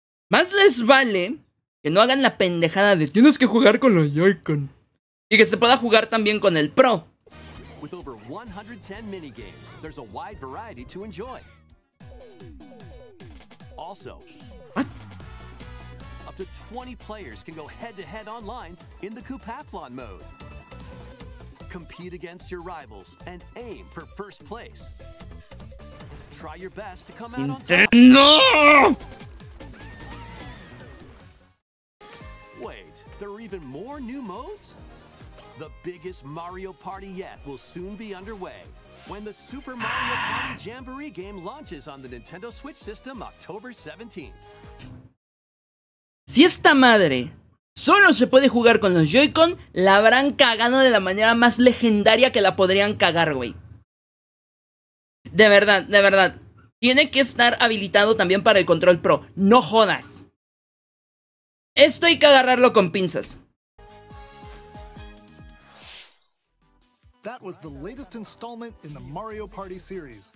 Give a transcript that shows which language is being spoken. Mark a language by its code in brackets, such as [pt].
[es] Más les vale que no hagan la pendejada de tienes que jugar con la Joy-Con. Y que se pueda jugar también con el Pro. [en] With over 110 minigames, there's a wide variety to enjoy. Also, what? Up to 20 players can go head-to-head online in the Koopathlon mode. Compete against your rivals and aim for first place. Try your best to come out on top. No! Wait, there are even more new modes? The biggest Mario Party yet will soon be underway when the Super Mario Party Jamboree game launches on the Nintendo Switch system October 17th. [es] Si esta madre solo se puede jugar con los Joy-Con, la habrán cagado de la manera más legendaria que la podrían cagar, güey. De verdad. Tiene que estar habilitado también para el control Pro. No jodas. Esto hay que agarrarlo con pinzas. [en] That was the latest installment in the Mario Party series.